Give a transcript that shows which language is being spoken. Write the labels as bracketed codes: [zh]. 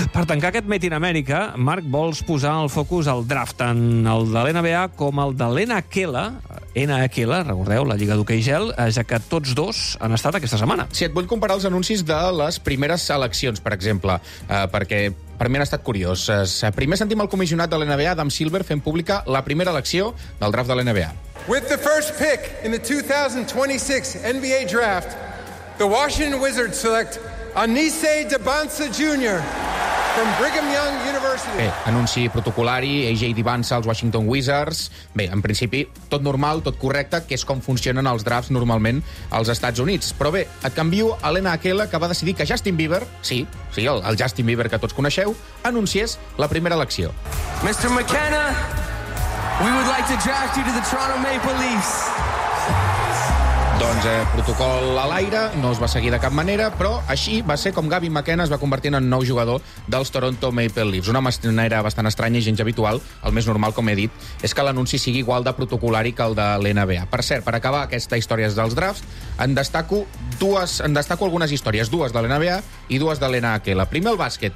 [ca] Per tancar aquest Made in America, Marc, vols posar el focus al draft, tant el de l'NBA com el de NHL, recordeu, la Lliga d'Hockey Gel, ja que tots dos han estat aquesta setmana. Si et vull comparar els anuncis de les primeres seleccions, per exemple, perquè per mi han estat curioses. Primer sentim el comissionat de l'NBA, Adam Silver, fent pública la primera elecció del draft de l'NBA. [en] With the first pick in the 2026 NBA draft, the Washington Wizards select Anise Dibansa Jr., from Brigham Young University. [ca] Bé, anunci protocolari, AJ Dibansa, els Washington Wizards. Bé, en principi, tot normal, tot correcte, que és com funcionen els drafts normalment als Estats Units. Però bé, et canvio a l'NHL, que va decidir que Justin Bieber, sí, el Justin Bieber que tots coneixeu, anunciés la primera elecció. [en] Mr. McKenna, we would like to draft you to the Toronto Maple Leafs. [ca] Doncs protocol a l'aire, no es va seguir de cap manera, però així va ser com Gavin McKenna es va convertir en nou jugador dels Toronto Maple Leafs. Una manera bastant estranya i gens habitual. El més normal, com he dit, és que l'anunci sigui igual de protocolari que el de l'NBA. Per cert, per acabar aquesta història dels drafts, en destaco algunes històries, dues de l'NBA i dues de l'NHL. Primer, el bàsquet.